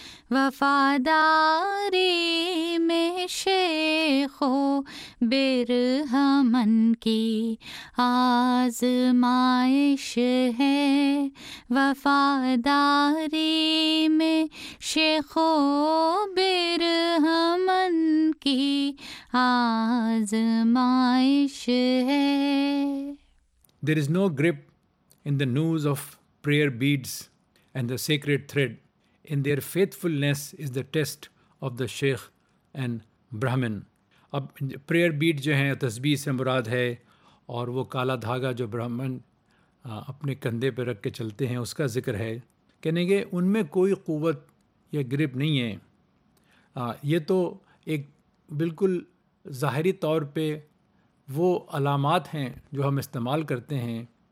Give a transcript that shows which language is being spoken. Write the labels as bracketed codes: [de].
[ur] وفاداری میں شیخ و برہمن کی آزمائش ہے, وفاداری میں شیخ و برہمن کی آزمائش ہے. [en] There is no grip in the noose of prayer beads and the sacred thread. In their faithfulness is the test of the Sheikh and Brahmin. [ur] اب prayer bead جو ہیں تسبیح سے مراد ہے, اور وہ کالا دھاگا جو برہمن اپنے کندھے پہ رکھ کے چلتے ہیں اس کا ذکر ہے. کہنے گے ان میں کوئی قوت یا گرپ نہیں ہے, یہ تو ایک بالکل ظاہری طور پہ وہ علامات ہیں جو ہم استعمال کرتے ہیں.